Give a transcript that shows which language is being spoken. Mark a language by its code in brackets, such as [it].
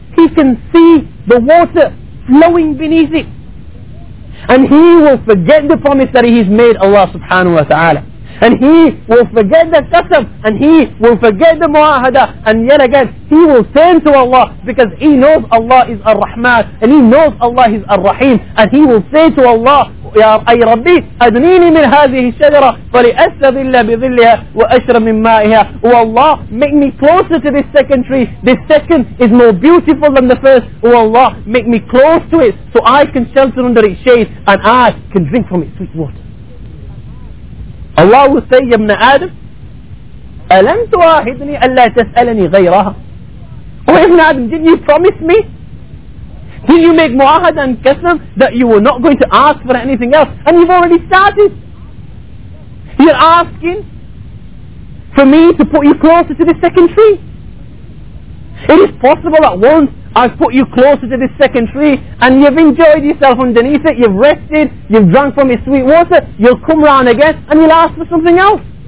[en] He can see the water flowing beneath it. And he will forget the promise that he's made Allah subhanahu wa ta'ala. And he will forget the qasam. And he will forget the mu'ahada. And yet again, he will turn to Allah because he knows Allah is Ar-Rahman. And he knows Allah is Ar-Rahim. And he will say to Allah, [ar] يا أي ربي أدنيني من هذه الشجرة فلأستظل بظلها وأشرب من مائها. [en] والله, make me closer to this second tree. This second is more beautiful than the first. والله, make me close to it so I can shelter under its shade and I can drink from its sweet water. Allah will say, [ar] يا ابن آدم ألم تواهدني ألا تسألني غيرها. [en] Oh ابن آدم, did you promise me? Did you make mu'ahad and qasam that you were not going to ask for anything else? And you've already started. You're asking for me to put you closer to the second tree. It is possible that once I've put you closer to the second tree and you've enjoyed yourself underneath it, you've rested, you've drunk from its sweet water, you'll come round again and you'll ask for something else.